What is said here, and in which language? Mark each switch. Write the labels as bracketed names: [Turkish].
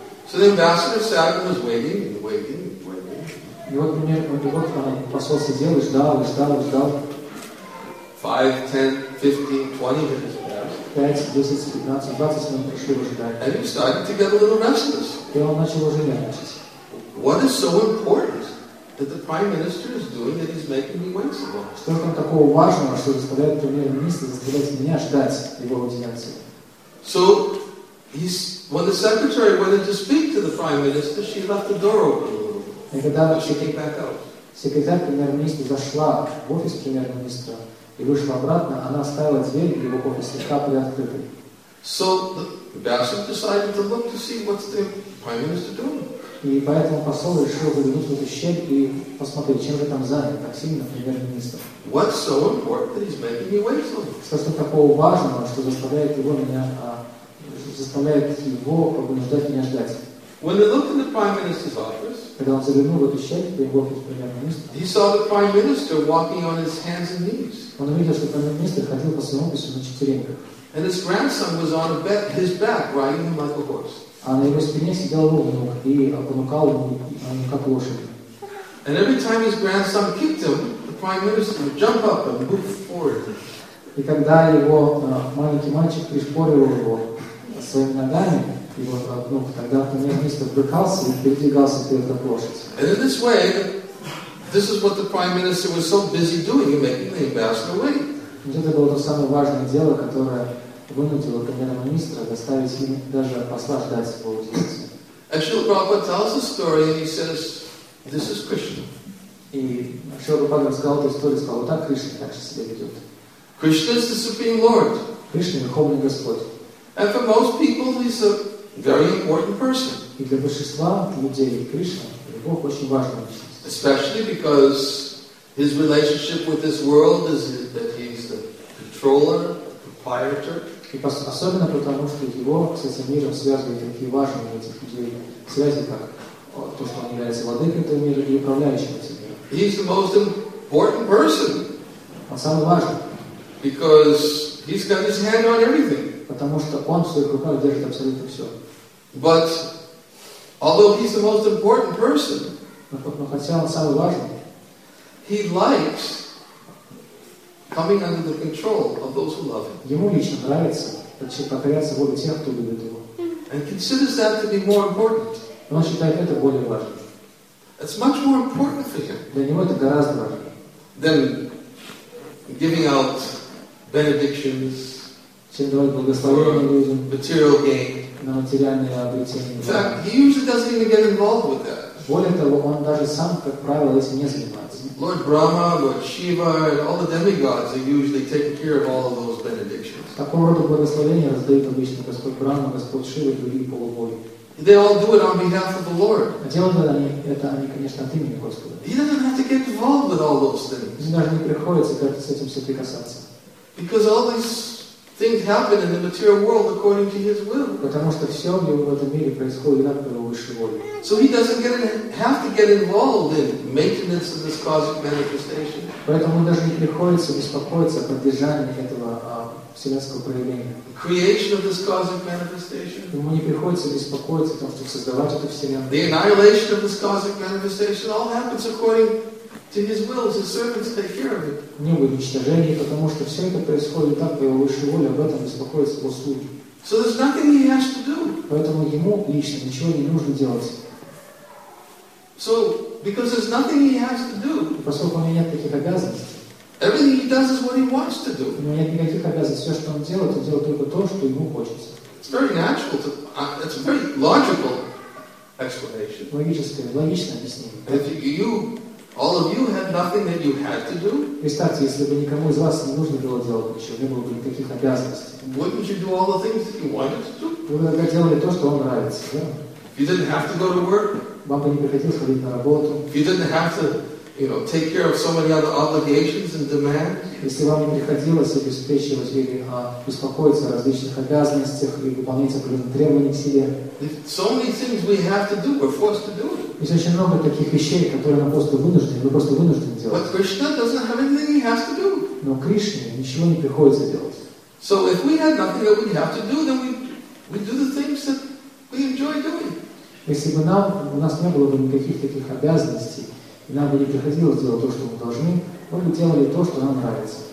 [English] So the ambassador sat and was waiting and waiting and waiting. [Russian] И вот посол сидел и ждал, и ждал, и ждал. [English] 5, 10, 15, 20 minutes. [Russian] 5, 10, 15, 20 [English] minutes [Russian] прошли в ожидании. [English] And he started to get a little restless. [Russian] И он начал уже нервничать. [English] What is so important? that the Prime Minister is doing that is making me wait so long? [Russian] Что там такого важного, что заставляет премьер-министра заставлять меня ждать его аудиенции? [English] So he's when the secretary went in to speak to the Prime Minister, she left the door open a little. She came back out. [Russian] Секретарь премьер-министра зашла в офис премьер-министра и вышла обратно. Она оставила дверь в его офис слегка приоткрытой. [English] So the ambassador decided to look to see what's the Prime Minister doing. [Russian] И поэтому посол решил заглянуть в эту щель и посмотреть, чем же там занят так сильно премьер-министр. [English] What's so important that he's making me wait so long? [Russian] Что такого важного, что заставляет его меня, заставляет его побуждать меня ждать? [English] When they looked in the Prime Minister's office, [Russian] когда он заглянул в эту щель в офис премьер-министра, [English] he saw the Prime Minister walking on his hands and knees. [Russian] Он увидел, что премьер-министр ходил по своему офису на четвереньках. [English] And his grandson was on his back, riding him like a horse. [Russian] А на его спине сидел его внук и понукал его как лошадь. [English] And every time his grandson kicked him, the Prime Minister would jump up and move forward. [Russian] И когда его маленький мальчик пришпорил его своими ногами, его внук, тогда премьер-министр брыкался и передвигался вперед как лошадь. [English] And in this way, this is what the Prime Minister was so busy doing, making the ambassador wait. [Russian] Вот это было то самое важное дело, которое вынудило премьер-министра заставить им даже посла ждать своего аудиенции. [English] Ашрила Прабхупада tells a story and he says, this is Krishna. [Russian] И Ашрила Прабхупада рассказал эту историю, сказал, вот так Кришна так же себя ведет. [English] Krishna is the Supreme Lord. [Russian] Кришна – Верховный Господь. [English] And for most people, he's a very important person. [Russian] И для большинства людей Кришна – любовь очень важная личность. [English] Especially because his relationship with this world is that he's the controller, the proprietor. [Russian] И особенно потому, что его с этим миром связывают такие важные этих людей связи, как то, что он является владыкой этого мира и управляющим этим миром. [English] He's the most important person. [Russian] Он самый важный. [English] Because he's got his hand on everything. [Russian] Потому что он в своих руках держит абсолютно все. [English] But although he's the most important person, [Russian] но хотя он самый важный, [English] he likes coming under the control of those who love him. [Russian] Ему лично нравится покоряться воле тех, кто любит его. [English] And considers that to be more important. [Russian] Он считает это более важным. [English] It's much more important for him. [Russian] Для него это гораздо важнее. [English] Than giving out benedictions. [Russian] Чем давать благословения людям. [English] Material gain. [Russian] На материальные обретения. [English] In fact, he usually doesn't even get involved with that. [Russian] Более того, он даже сам, как правило, этим не занимается. [English] Lord Brahma, Lord Shiva, and all the demigods are usually taking care of all of those benedictions. [Russian] Такого рода благословения раздают обычно Господь Брахма, Господь Шива и другие полубоги. [English] They all do it on behalf of the Lord. [Russian] А делают они это, они, конечно, от имени Господа. [English] He doesn't have to get involved with all those things. [Russian] Даже не приходится как-то с этим соприкасаться. [English] Because all these things happen in the material world according to his will. [Russian] Потому что все в его этом мире происходит так, по его высшей воле. [English] So he doesn't have to get involved in maintenance of this cosmic manifestation. [Russian] Поэтому даже не приходится беспокоиться о поддержании этого вселенского проявления. [English] Creation of this cosmic manifestation. [Russian] Ему не приходится беспокоиться о том, чтобы создавать эту вселенную. [English] The annihilation of this cosmic manifestation all happens according to his will, his servants take care of it. [Russian] Не будет уничтожения, потому что все это происходит так, по его высшей воле, об этом беспокоится его слуги. [English] So there's nothing he has to do. [Russian] Поэтому ему лично ничего не нужно делать. [English] So, because there's nothing he has to do, [Russian] поскольку у него нет таких обязанностей, [English] everything he does is what he wants to do. [Russian] У него нет никаких обязанностей. Все, что он делает только то, что ему хочется. [English] It's very natural. It's a very logical explanation. [Russian] Логическое, логичное объяснение. [English] If you, all of you had nothing that you had to do, [Russian] представьте, если бы никому из вас не нужно было делать ничего, не было бы никаких обязанностей. [English] Wouldn't you do all the things that you wanted to do? [Russian] Вы бы делали то, что вам нравится, да? [English] You didn't have to go to work. [Russian] Вам бы не приходилось ходить на работу. [English] You didn't have to, you know, take care of so many other obligations and demands. [Russian] Если вам не приходилось обеспечивать или беспокоиться о различных обязанностях или выполнять определенные требования к себе. [English] So many things we have to do, we're forced to do. [Russian] Есть очень много таких вещей, которые мы просто вынуждены, делать. [English] But Krishna doesn't have anything he has to do. [Russian] Но Кришне ничего не приходится делать. [English] So if we had nothing that we have to do, then we do the things that we enjoy doing. [Russian] Если бы нам, у нас не было бы никаких таких обязанностей, и нам бы не приходилось делать то, что мы должны, мы бы делали то, что нам нравится.